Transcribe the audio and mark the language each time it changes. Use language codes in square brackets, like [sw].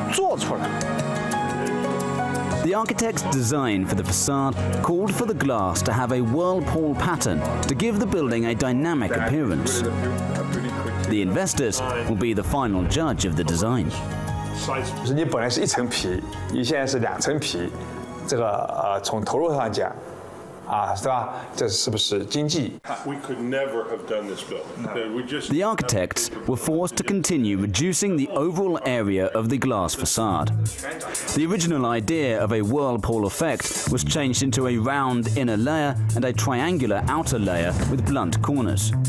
[en] The architect's design for the facade called for the glass to have a whirlpool pattern to give the building a dynamic appearance. The investors will be the final judge of the design. [zh] 就是你本来是一层皮，你现在是两层皮，这个从投入上讲，是吧？这是不是经济？ [en] We could never have done this building. The architects were forced to continue reducing the overall area of the glass facade. The original idea of a whirlpool effect was changed into a round inner layer and a triangular outer layer with blunt corners.